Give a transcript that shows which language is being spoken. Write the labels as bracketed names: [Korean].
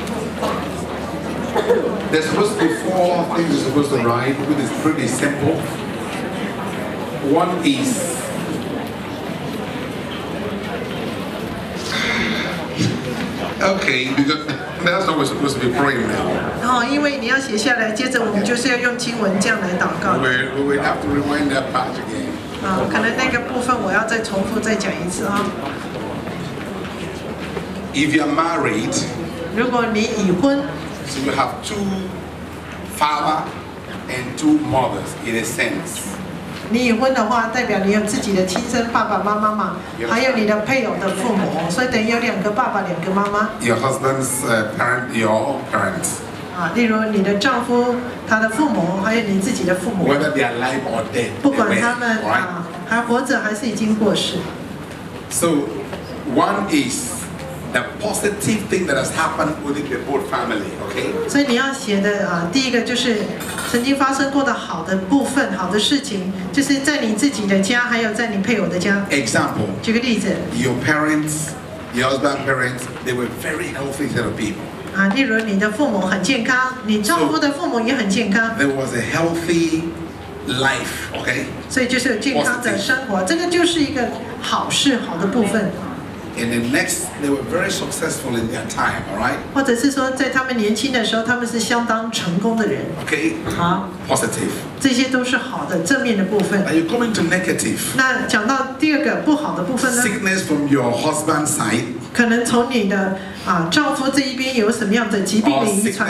[English] There's supposed to be four things you're supposed to write which is pretty simple One isOkay, because that's what we're supposed to be praying now. Oh, because you have to write down. [Chinese] 接着我们就是要用经文这样来祷告。 [English] We have to rewind that part again. [Chinese] 啊，可能那个部分我要再重复再讲一次啊。 [English] If you're married, [Chinese] 如果你已婚 [English] so you have two father and two mothers in a sense. [Chinese] 你已婚的话，代表你有自己的亲生爸爸妈妈嘛？还有你的配偶的父母，所以等于有两个爸爸，两个妈妈。 [English] Your husband's parent, your parents. [Chinese] 啊，例如你的丈夫，他的父母，还有你自己的父母。 [English] Whether they are alive or dead. [Chinese] 不管他们啊，还活着还是已经过世。 [English] So, one is the positive thing that has happened within the both family, okay? [Chinese] 所以你要写的啊，第一个就是。曾经发生过的好的部分，好的事情，就是在你自己的家，还有在你配偶的家。 [English] Example， [Chinese] 举个例子。 [English] Your parents, your husband's parents, they were very healthy set of people. [Chinese] 啊，例如你的父母很健康，你丈夫的父母也很健康。 [English] So, there was a healthy life, okay? [Chinese] 所以就是有健康的生活，这个就是一个好事，好的部分。 [English] And the next, they were very successful in their time, all right? [Chinese] 或者是说，在他们年轻的时候，他们是相当成功的人。 [English] Okay. [Chinese] 好。 [English] Positive. [Chinese] 这些都是好的，正面的部分。 [English] Are you coming to negative? [Chinese] 那讲到第二个不好的部分呢 [English] ？Sickness from your husband's side. [Chinese] 可能从你的啊丈夫这一边有什么样的疾病的遗传